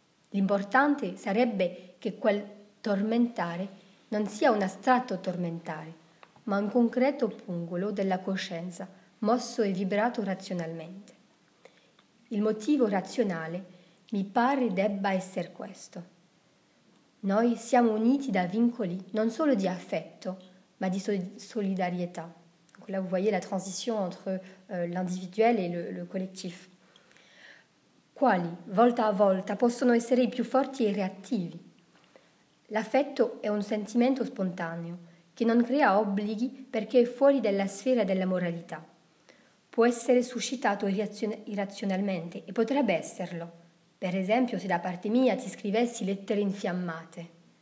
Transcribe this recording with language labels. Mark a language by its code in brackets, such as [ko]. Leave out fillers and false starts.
[it] L'importante sarebbe che quel tormentare non sia un astratto tormentare, ma un concreto pungolo della coscienza, mosso e vibrato razionalmente. Il motivo razionale mi pare debba essere questo. Noi siamo uniti da vincoli non solo di affetto, ma di solidarietà. [fr] Là, vous voyez la transition entre l'individuel et le collectif. [it] Quali, volta a volta, possono essere i più forti e reattivi? L'affetto è un sentimento spontaneo che non crea obblighi perché è fuori dalla sfera della moralità. Può essere suscitato irrazionalmente e potrebbe esserlo, per esempio se da parte mia ti scrivessi lettere infiammate.